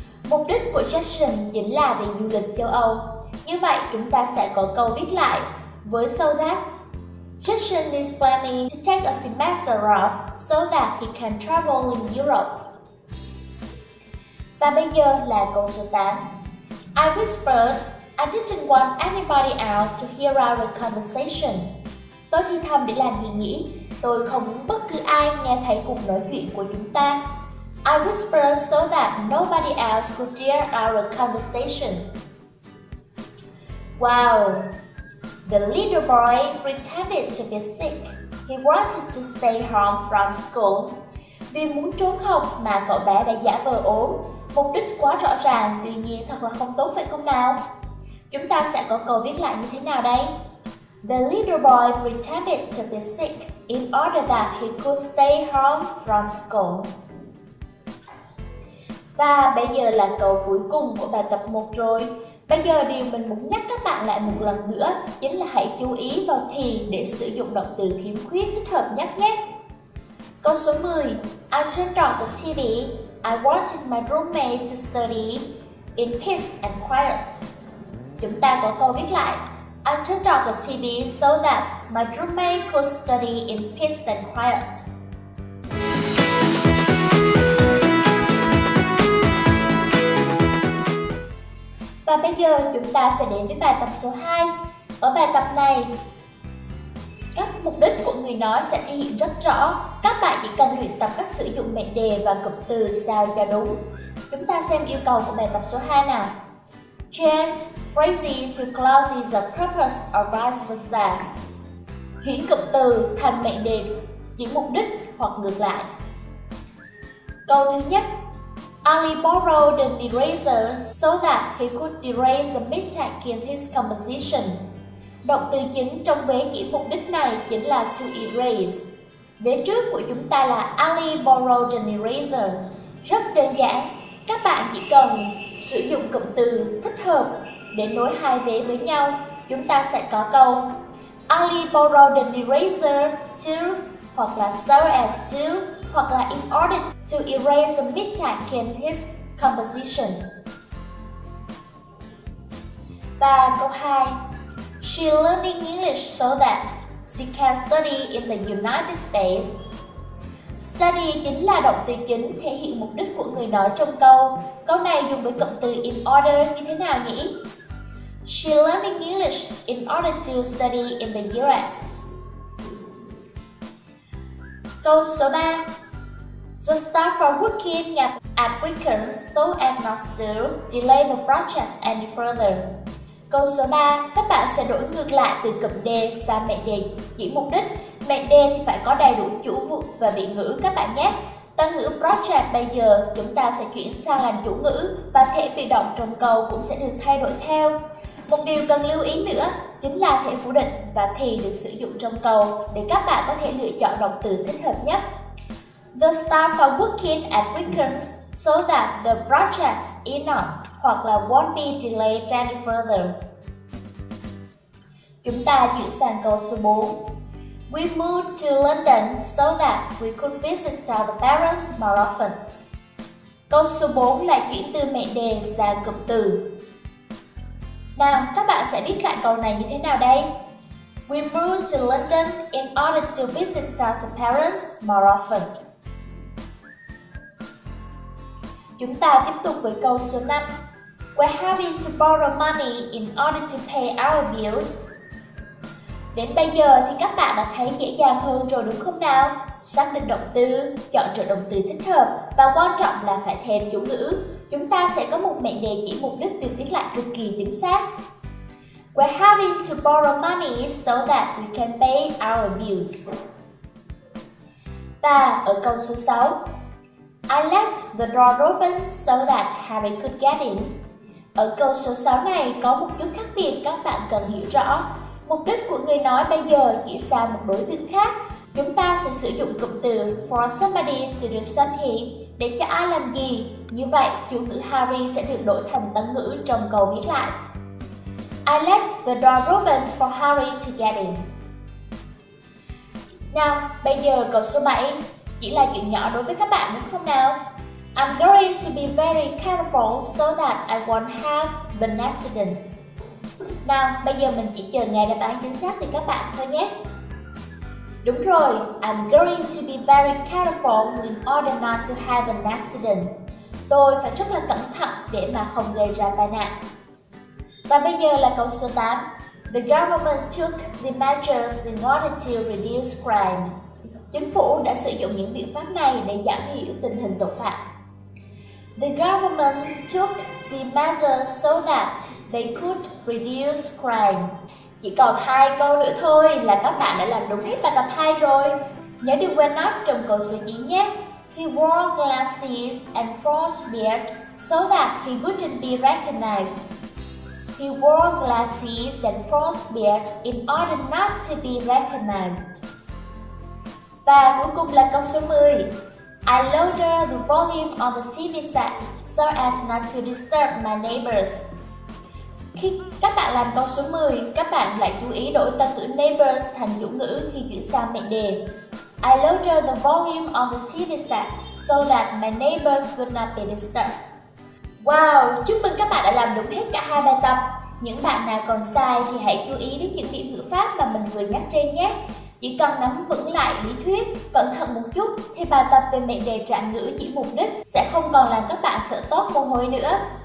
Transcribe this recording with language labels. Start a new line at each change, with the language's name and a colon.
Vietnamese: Mục đích của Jason chính là đi du lịch châu Âu. Như vậy chúng ta sẽ có câu viết lại. Với
English: so that, Jason is planning to take a semester off so that he can travel in Europe.
Vietnamese: Và bây giờ là câu số 8.
English: I whispered, I didn't want anybody else to hear our conversation.
Vietnamese: Tôi thì thầm để làm gì nhỉ? Tôi không muốn bất cứ ai nghe thấy cuộc nói chuyện của chúng ta.
English: I whispered so that nobody else could hear our conversation. Wow! The little boy pretended to be sick. He wanted to stay home from school.
Vietnamese: Vì muốn trốn học mà cậu bé đã giả vờ ốm. Mục đích quá rõ ràng, tuy nhiên thật là không tốt phải không nào? Chúng ta sẽ có câu viết lại như thế nào đây?
English: The little boy pretended to be sick in order that he could stay home from school.
Vietnamese: Và bây giờ là câu cuối cùng của bài tập 1 rồi. Bây giờ điều mình muốn nhắc các bạn lại một lần nữa chính là hãy chú ý vào thì để sử dụng động từ khiếm khuyết thích hợp nhất nhé. Câu số 10.
English: I turned on the TV. I wanted my roommate to study in peace and quiet.
Vietnamese: Chúng ta có câu viết lại.
English: I turned off the TV so that my roommate could study in peace and quiet.
Vietnamese: Và bây giờ chúng ta sẽ đến với bài tập số 2. Ở bài tập này, các mục đích của người nói sẽ thể hiện rất rõ. Các bạn chỉ cần luyện tập cách sử dụng mệnh đề và cụm từ sao cho đúng. Chúng ta xem yêu cầu của bài tập số 2 nào.
English: Change phrases to clauses the purpose or vice versa.
Vietnamese: Chuyển cụm từ thành mệnh đề chỉ mục đích hoặc ngược lại. Câu thứ nhất.
English: Ali borrowed the eraser so that he could erase the mistake in his composition.
Vietnamese: Động từ chính trong vế chỉ mục đích này chính là to erase. Vế trước của chúng ta là
English: Ali borrowed an eraser.
Vietnamese: Rất đơn giản, các bạn chỉ cần sử dụng cụm từ thích hợp để nối hai vế với nhau. Chúng ta sẽ có câu
English: Ali borrowed an eraser to,
Vietnamese: hoặc là
English: so as to, hoặc là in order to erase a mistake in his composition.
Vietnamese: Và câu 2.
English: She learning English so that she can study in the United States.
Vietnamese: Study chính là động từ chính thể hiện mục đích của người nói trong câu. Câu này dùng với cụm từ in order như thế nào nhỉ?
English: She learning English in order to study in the US.
Vietnamese: Câu số 3.
English: The staff are working at weekends so as not to delay the project any further.
Vietnamese: Câu số 3, các bạn sẽ đổi ngược lại từ cụm đề sang mệnh đề chỉ mục đích. Mệnh đề thì phải có đầy đủ chủ vụ và vị ngữ các bạn nhé. Tân ngữ project bây giờ chúng ta sẽ chuyển sang làm chủ ngữ và thể bị động trong câu cũng sẽ được thay đổi theo. Một điều cần lưu ý nữa chính là thể phủ định và thì được sử dụng trong câu để các bạn có thể lựa chọn động từ thích hợp nhất.
English: The staff are working at weekends so that the project is not
Vietnamese: hoặc là
English: won't be delayed any further.
Vietnamese: Chúng ta chuyển sang câu số 4.
English: We moved to London so that we could visit our parents more often.
Vietnamese: Câu số 4 là chuyển từ mệnh đề sang cụm từ. Nào, các bạn sẽ viết lại câu này như thế nào đây?
English: We moved to London in order to visit our parents more often.
Vietnamese: Chúng ta tiếp tục với câu số 5.
English: We're having to borrow money in order to pay our bills.
Vietnamese: Đến bây giờ thì các bạn đã thấy dễ dàng hơn rồi đúng không nào? Xác định động từ, chọn trợ động từ thích hợp và quan trọng là phải thêm chủ ngữ. Chúng ta sẽ có một mệnh đề chỉ mục đích được viết lại cực kỳ chính xác.
English: We're having to borrow money so that we can pay our bills.
Vietnamese: Và ở câu số 6.
English: I left the door open so that Harry could get in.
Vietnamese: Ở câu số 6 này có một chút khác biệt các bạn cần hiểu rõ. Mục đích của người nói bây giờ chỉ sang một đối tượng khác. Chúng ta sẽ sử dụng cụm từ
English: for somebody to do something
Vietnamese: để cho ai làm gì. Như vậy, chủ ngữ Harry sẽ được đổi thành tân ngữ trong câu viết lại.
English: I left the door open for Harry to get in.
Vietnamese: Nào, bây giờ câu số 7. Chỉ là chuyện nhỏ đối với các bạn đúng không nào?
English: I'm going to be very careful so that I won't have an accident.
Vietnamese: Nào, bây giờ mình chỉ chờ nghe đáp án chính xác từ các bạn thôi nhé. Đúng rồi,
English: I'm going to be very careful in order not to have an accident.
Vietnamese: Tôi phải rất là cẩn thận để mà không gây ra tai nạn. Và bây giờ là câu số 8.
English: The government took the measures in order to reduce crime.
Vietnamese: Chính phủ đã sử dụng những biện pháp này để giảm thiểu tình hình tội phạm.
English: The government took the measures so that they could reduce crime.
Vietnamese: Chỉ còn hai câu nữa thôi là các bạn đã làm đúng hết bài tập 2 rồi. Nhớ đừng quên nói trong câu số 9 nhé.
English: He wore glasses and false beard so that he wouldn't be recognized. He wore glasses and false beard in order not to be recognized.
Vietnamese: Và cuối cùng là câu số 10.
English: I lowered the volume on the TV set so so as not to disturb my neighbors.
Vietnamese: Khi các bạn làm câu số 10, các bạn lại chú ý đổi từ ngữ neighbors thành chủ ngữ khi chuyển sang mệnh đề.
English: I lowered the volume on the TV set so that my neighbors would not be disturbed.
Vietnamese: Wow, chúc mừng các bạn đã làm được hết cả hai bài tập. Những bạn nào còn sai thì hãy chú ý đến những điểm ngữ pháp mà mình vừa nhắc trên nhé. Chỉ cần nắm vững lại lý thuyết, cẩn thận một chút thì bài tập về mệnh đề trạng ngữ chỉ mục đích sẽ không còn làm các bạn sợ tốt mồ hôi nữa.